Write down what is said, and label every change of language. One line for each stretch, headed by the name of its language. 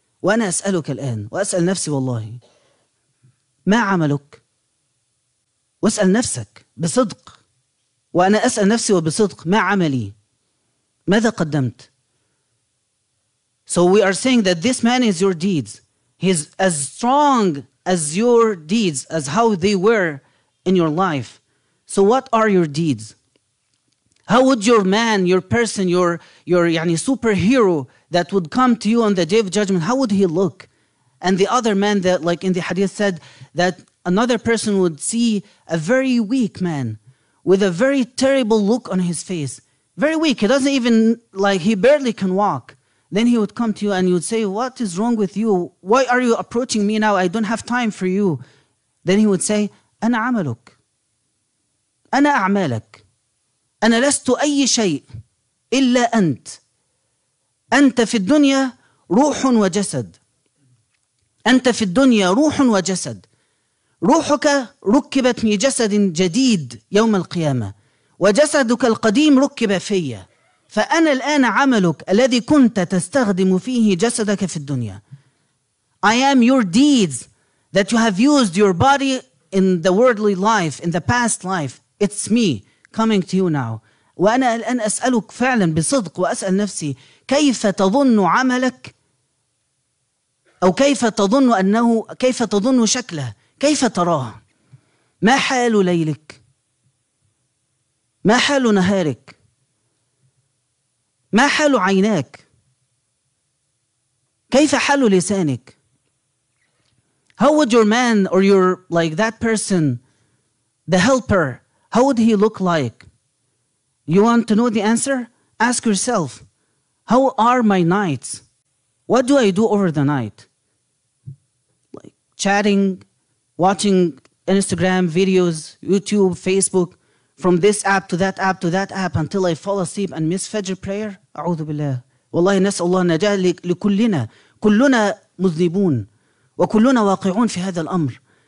Arabic: وأنا أسألك الآن، وأسأل نفسي والله، ما عملك؟ وأسأل نفسك بصدق، وأنا أسأل نفسي وبصدق، ما عملي؟ ماذا قدمت؟
English: So we are saying that this man is your deeds. He's as strong as your deeds, as how they were in your life. So what are your deeds? How would your man, your person, your يعني superhero that would come to you on the day of judgment, how would he look? And the other man that, like in the hadith said, that another person would see a very weak man with a very terrible look on his face. Very weak. He doesn't even, like, he barely can walk. Then he would come to you and you would say, what is wrong with you? Why are you approaching me now? I don't have time for you. Then he would say,
Arabic: أنا عملك. أنا أعمالك. أنا لست أي شيء إلا أنت. أنت في الدنيا روح وجسد. أنت في الدنيا روح وجسد. روحك ركبت في جسد جديد يوم القيامة، وجسدك القديم ركب فيه، فأنا الآن عملك الذي كنت تستخدم فيه جسدك في الدنيا.
English: I am your deeds that you have used your body in the worldly life, in the past life. It's me coming to you now.
Arabic: وأنا الآن أسألك فعلا بصدق وأسأل نفسي، كيف تظن عملك، أو كيف تظن أنه، كيف تظن شكله، كيف تراه، ما حال ليلك، ما حال نهارك، ما حال عيناك، كيف حال لسانك.
English: How would your man or your like that person, the helper, how would he look like? You want to know the answer? Ask yourself, how are my nights? What do I do over the night? Like chatting, watching Instagram videos, YouTube, Facebook, from this app to that app to that app until I fall asleep and miss Fajr prayer?
Arabic: أعوذ بالله. والله نسأل الله النجاة لكلنا. كلنا مذنبون وكلنا واقعون في هذا الأمر.